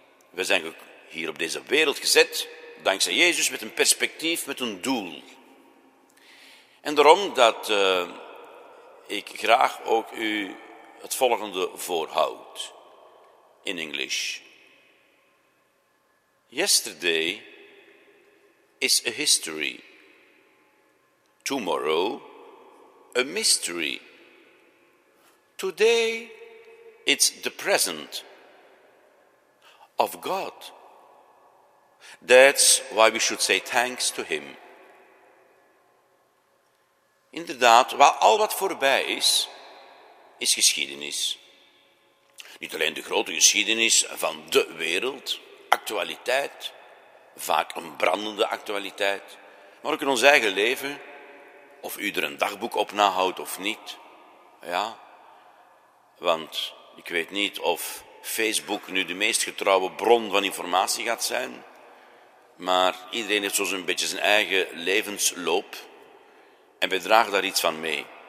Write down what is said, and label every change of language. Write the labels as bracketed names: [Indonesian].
[Dutch] We zijn hier op deze wereld gezet, dankzij Jezus, met een perspectief, met een doel. En daarom dat ik graag ook u het volgende voorhoud [English] in English. Yesterday is a history, tomorrow a mystery, today it's the present of God. That's why we should say thanks to Him. [Dutch] Inderdaad, al wat voorbij is, is geschiedenis. Niet alleen de grote geschiedenis van de wereld, actualiteit, vaak een brandende actualiteit, maar ook in ons eigen leven, of u er een dagboek op nahoudt of niet, ja, want ik weet niet of Facebook nu de meest getrouwe bron van informatie gaat zijn, maar iedereen heeft zo'n beetje zijn eigen levensloop en wij dragen daar iets van mee.